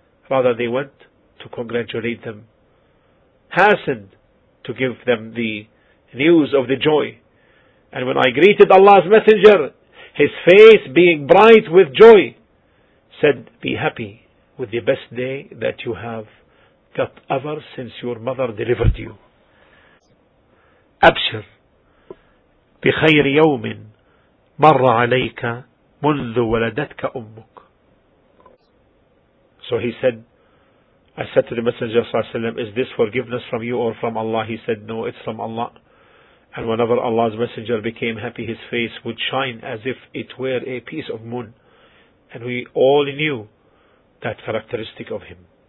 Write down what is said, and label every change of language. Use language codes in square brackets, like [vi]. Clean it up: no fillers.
[en] Rather, they went to congratulate them, hastened to give them the news of the joy. And when I greeted Allah's messenger, his face being bright with joy, said, be happy with the best day that you have got ever since your mother delivered you. [ar] أبشر بخير يوم مر عليك منذ ولدتك أمك. [en] So he said, I said to the Messenger صلى الله عليه وسلم, is this forgiveness from you or from Allah? He said, no, it's from Allah. And whenever Allah's Messenger became happy, his face would shine as if it were a piece of moon. And we all knew that characteristic of him.